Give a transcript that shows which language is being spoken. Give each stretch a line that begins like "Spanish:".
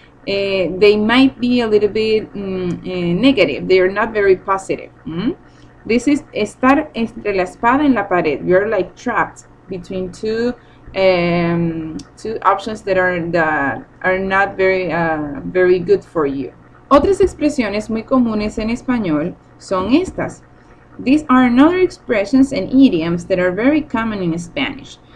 English: They might be a little bit negative. They are not very positive. This is
Spanish: estar entre la espada y la pared.
English: You're like trapped between two options that are not very very good for you.
Spanish: Otras expresiones muy comunes en español son estas.
English: These are another expressions and idioms that are very common in Spanish.